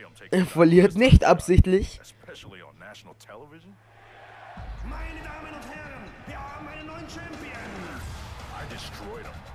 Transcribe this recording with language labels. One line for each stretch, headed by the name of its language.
German: Er verliert nicht absichtlich.
English: Especially on national television.
German: Meine Damen und Herren, wir haben einen neuen Champion.
English: I destroyed him.